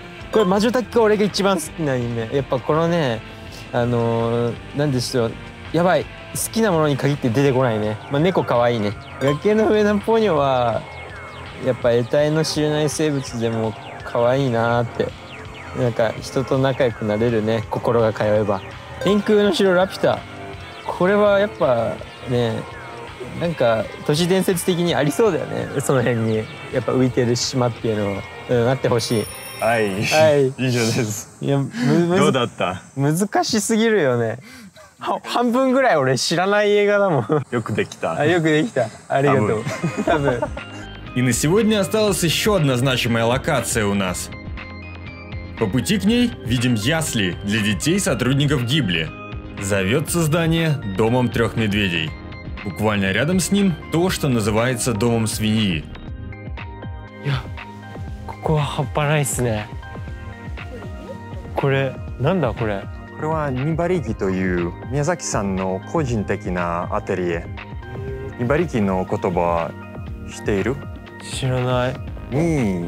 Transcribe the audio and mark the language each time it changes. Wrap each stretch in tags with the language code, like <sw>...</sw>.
<ja>これ魔女宅急便俺が一番好きなアニメやっぱこのね何でしょうやばい好きなものに限って出てこないね、まあ、猫かわいいね崖の上のポニョはやっぱ得体の知れない生物でもかわいいなってなんか人と仲良くなれるね心が通えば天空の城ラピュタこれはやっぱねなんか都市伝説的にありそうだよねその辺にやっぱ浮いてる島っていうのを、うん、あってほしいはい、はい、以上ですいやどうだった難しすぎるよね半分ぐらい俺知らない映画だもんよくできたあよくできたありがとう多分, 多</ja> <ru>分и на сегодня осталась еще одна значимая локация у нас по пути к ней видим ясли для детей сотрудников Гибли зовется здание домом трех медведей буквально рядом с ним то что называется домом свиньи</ru> <ja>ここは半端ないっすねこれなんだこれこれはニバリキという宮崎さんの個人的なアテリエニバリキの言葉は知っている知らないニ</ja>